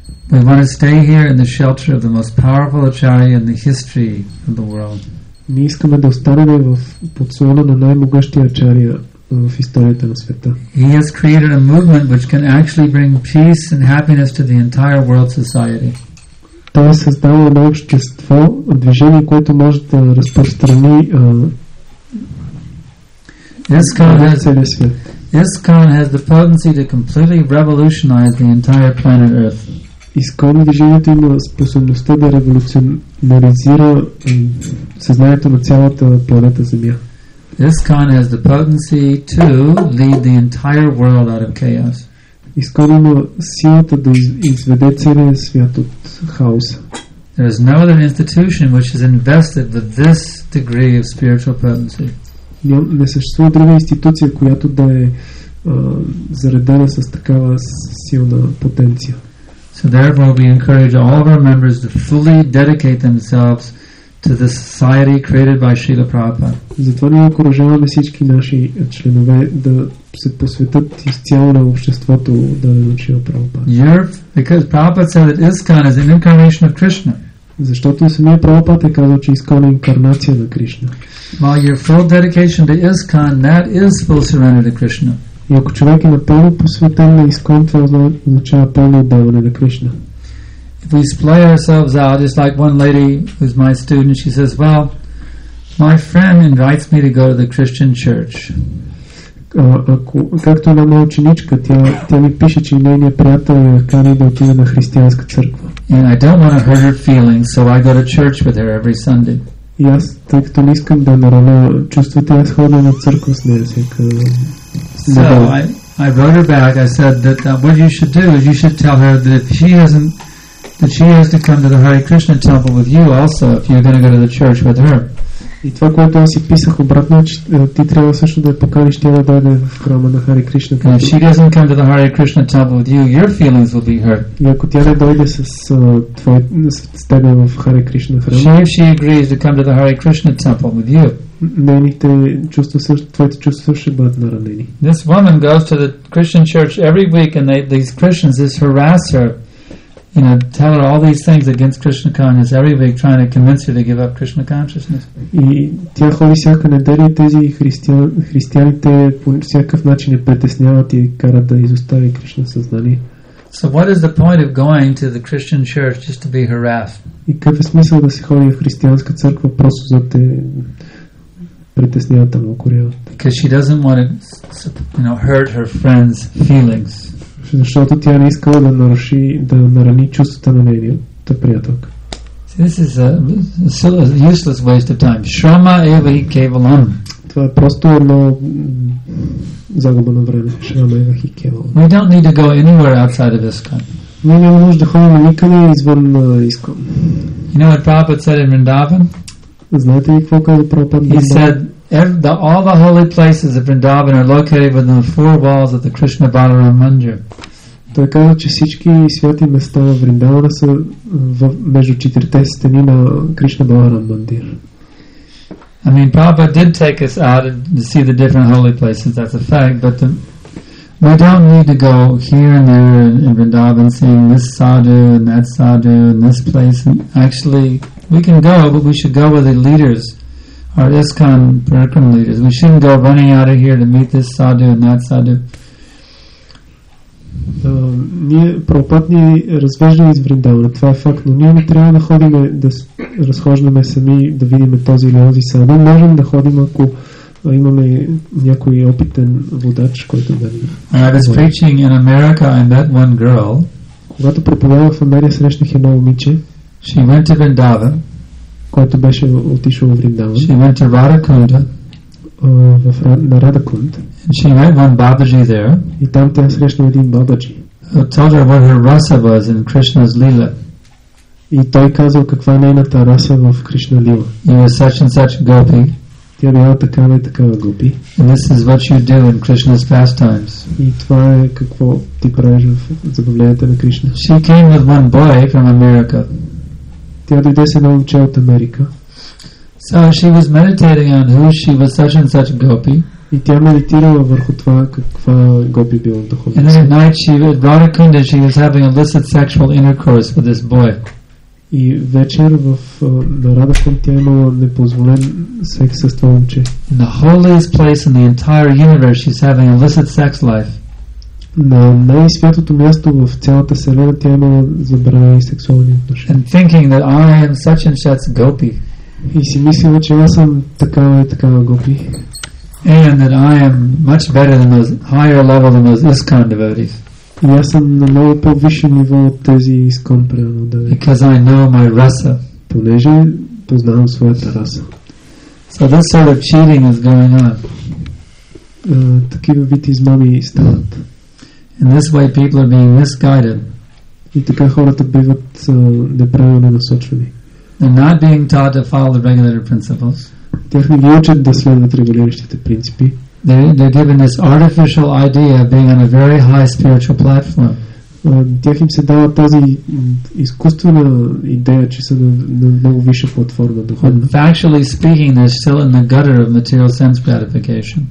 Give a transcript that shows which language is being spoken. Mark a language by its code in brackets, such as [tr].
[en] We want to stay here in the shelter of the most powerful acharya in the history of the world. [bg] Ние искаме да останем в подслона на най-могъщия ачария в историята на света. [en] He has created a movement which can actually bring peace and happiness to the entire world society. [bg] Той е създал едно общество, движение, което може да разпространи целия свят. [en] ISKCON has the potency to completely revolutionize the entire planet Earth. [bg] ISKCON движението има способността да революционализира съзнанието на цялата планета Земя. [en] ISKCON has the potency to lead the entire world out of chaos. [bg] ISKCON има силата да изведе целия свят от хаос. [en] There is no other institution which has invested with this degree of spiritual potency. [bg] Не съществува друга институция, която да е заредена с такава силна потенция. [en] So therefore we encourage all of our members to fully dedicate themselves to the society created by Srila Prabhupada. [bg] Затова ние окуражаваме всички наши членове да се посветят изцяло на обществото, да не учива Прабхупада. [en] Because Prabhupada said that ISKCON is an incarnation of Krishna. [bg] Защото самия Прабхупада е казал, че ISKCON е инкарнация на Кришна. [en] While your full dedication to ISKCON, that is full surrender to Krishna. [bg] И ако човек е напълно посветен на ISKCON, това означава пълно отдаване на Кришна. [en] If we splay ourselves out, it's like one lady who's my student, she says, well, my friend invites me to go to the Christian church. [bg] Както една моя ученичка, тя ми пише, че нейния приятел я кани да отиде на християнска църква. [en] And I don't want to hurt her feelings, so I go to church with her every Sunday. [bg] И аз, тъй като не искам да нараня чувствата, аз ходя на църква с нея всяка. [en] So I wrote her back. I said that what you should do is you should tell her that if she hasn't, that she has to come to the Hare Krishna temple with you also if you're going to go to the church with her. [bg] И това, което аз си писах обратно, ти трябва също да я поканиш, тя да дойде в храма на Хари Кришна. [en] If she doesn't come to the Hare Krishna temple with you, your feelings will be hurt. [bg] И ако тя не дойде с тебе в Хари Кришна храма. [en] If she agrees to come to the Hare Krishna temple with you. [bg] Нейните чувства, твоите чувства ще бъдат наранени. [en] This woman goes to the Christian church every week and these Christians just harass her. you know, tell her all these things against Krishna consciousness every week, trying to convince her to give up Krishna consciousness. [bg] И тя ходи всяка неделя, тези християните по всякакъв начин я притесняват и карат да изостави Кришна съзнание. [en] So what is the point of going to the Christian church just to be harassed? [bg] И какъв е смисъл да се ходи в християнска църква просто за те притесняват, укоряват? [en] Because she doesn't want to, you know, hurt her friend's feelings. [bg] Защото тя не искала да наруши, да нарани чувствата на нейния приятелка. [en] This is a useless waste of time. [sa] Shrama eva hi kevalam. [bg] Това е просто едно загуба на време. [sa] Shrama eva hi kevalam. [en] We don't need to go anywhere outside of ISKCON. [bg] Ние не можем да ходим никъде извън ISKCON. [en] You know what Prabhupada said in Vrindavan? [bg] Знаете ли какво каза Prabhupada? [en] He said all the holy places of Vrindavan are located within the four walls of the Krishna Balaram Mandir. [bg] Той каза, че всички святи места в Вриндавана са между четирите стени на Кришна Баларам Мандир. [en] I mean, Prabhupada did take us out to see the different holy places, that's a fact, but we don't need to go here and there in Vrindavan seeing this sadhu and that sadhu and this place. And actually, we can go, but we should go with the leaders. Our ISKCON parikram leaders. We shouldn't go running out of here to meet this sadhu and that sadhu. [bg] Ние Прабхупад ни развежда из Вриндавана. Това е факт. Но ние не трябва да ходим да разхождаме сами да видим този или този сади. Можем да ходим, ако имаме някой опитен водач, който да ни... [en] I was preaching in America and that one girl. [bg] Когато проповядвах в Америка, срещнах едно момиче. [en] She went to Vrindavan. [bg] Който беше отишъл в Вриндаван. [en] She went to Radhakunda. [bg] На Radhakunda. [en] And she met one Babaji there. [bg] И там тя срещна един Бабаджи. [en] Who told her what her rasa was in Krishna's lila. [bg] И той казал каква е нейната раса в Кришна лила. [en] You are such and such gopi. [bg] Тя била такава и такава гопи. [en] And this is what you do in Krishna's pastimes. [bg] И това е какво ти правиш в забавлението на Кришна. [en] She came with one boy from America. [bg] Тя дойде с едно момче от Америка. [en] So she was meditating on who she was, such and such gopi. [bg] И тя медитирала върху това каква гопи била духовница. [en] And then at night she was Radhakunda, she was having illicit sexual intercourse with this boy. [bg] И вечер в Radhakunda тя имала непозволен секс с това момче. [en] In the holiest place in the entire universe she's having illicit sex life. [bg] На най-святото място в цялата вселена тя има забранени сексуални отношения. [en] And thinking that I am such and such gopi. [bg] И си мислила, че аз съм такава и такава гопи. [en] And that I am much better than those higher level than those ISKCON devotees. [bg] И аз съм на много по-висше ниво от тези ISKCON преданодави. [en] Because I know my rasa. [bg] Понеже познавам своята раса. [en] So this sort of cheating is going on. [bg] Такива бити измами стават. [en] In this way people are being misguided. [bg] И така хората биват неправилно насочвани. [en] They're not being taught to follow the regulator principles. [bg] Тях не ги учат да следват регулиращите принципи. [en] They're given this artificial idea of being on a very high spiritual platform. [bg] Тях им се дава тази изкуствена идея, че са на много висша платформа духовна. [en] Factually speaking, they're still in the gutter of material sense gratification.